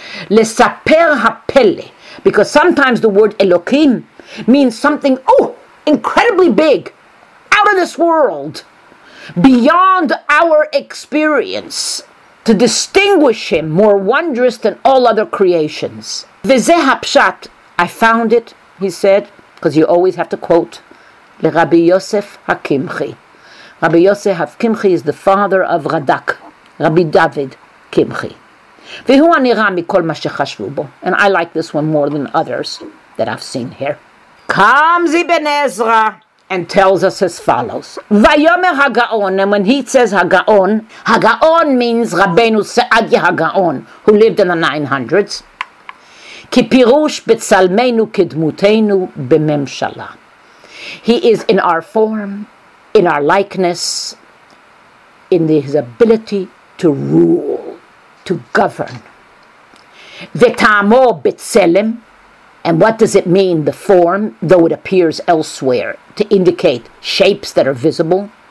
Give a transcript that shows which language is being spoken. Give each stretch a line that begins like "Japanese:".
Hebrew: לספר הפלא,
English: because sometimes the word אלוקים means something, oh, incredibly big, out of this world, beyond our experience, to distinguish him more wondrous than all other creations.
Hebrew: וזה הפשט,
English: I found it, he said, because you always have to quote,
Hebrew: לרבי יוסף הקמחי.
English: Rabbi Yosef HaKimchi is the father of Radak, Rabbi David Kimchi.
Hebrew: והוא הנראה מכל מה שחשבו בו.
English: And I like this one more than others that I've seen here. Comes Ibn Ezra and tells us as follows.
Hebrew: ויומר הגאון,
English: and when he says הגאון, הגאון means רבנו סעדיה הגאון, who lived in the 900s.
Hebrew: כי פירוש בצלמנו כדמותנו בממשלה.
English: He is in our form, in our likeness, in his ability to rule, to govern.
Hebrew: Vetamo betzelem,
English: and what does it mean, the form, though it appears elsewhere, to indicate shapes that are visible?